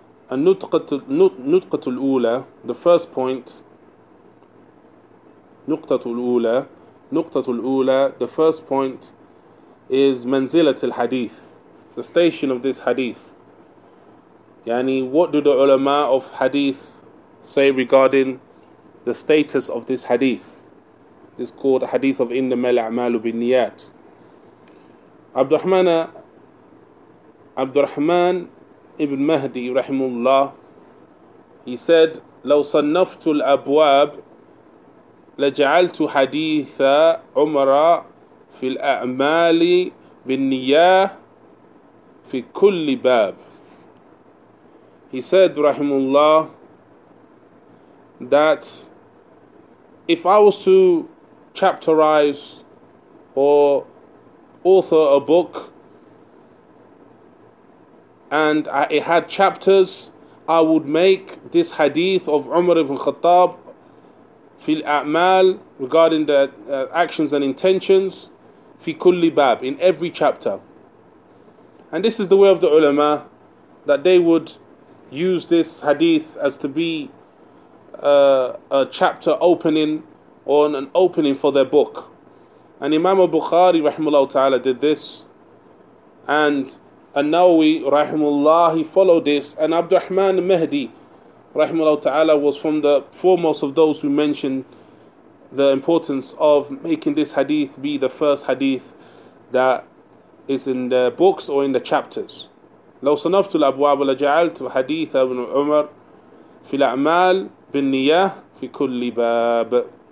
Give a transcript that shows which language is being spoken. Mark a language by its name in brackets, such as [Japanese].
[English] And nutqatul ula, the first point, nuqtatul ula, the first point is manzilatul hadith, the station of this hadith. Yani, what do the ulama of hadith say regarding the status of this hadith? This is called a hadith of innamal a'malu bin niyat. Abdurrahman ibn Mahdi rahimullah, he said, [Arabic] لو صنفت الأبواب لجعلت حديث عمر في الأعمال بالنية في كل باب. [English] He said rahimullah that if I was to chapterize or author a book and it had chapters, I would make this hadith of Umar ibn Khattab fi al-a'mal, regarding the actions and intentions, fi kulli bab, in every chapter. And this is the way of the ulama, that they would use this hadith as to be a chapter opening on an opening for their book. And Imam al-Bukhari rahimahullah ta'ala did this, and An-Nawawi rahimahullah, he followed this, and Abdurrahman Mahdi rahimahullah ta'ala was from the foremost of those who mentioned the importance of making this hadith be the first hadith that is in the books or in the chapters. [Arabic] لو صنفت الأبواب لجعلت حديث ابن عمر في الأعمال بالنية في كل باب.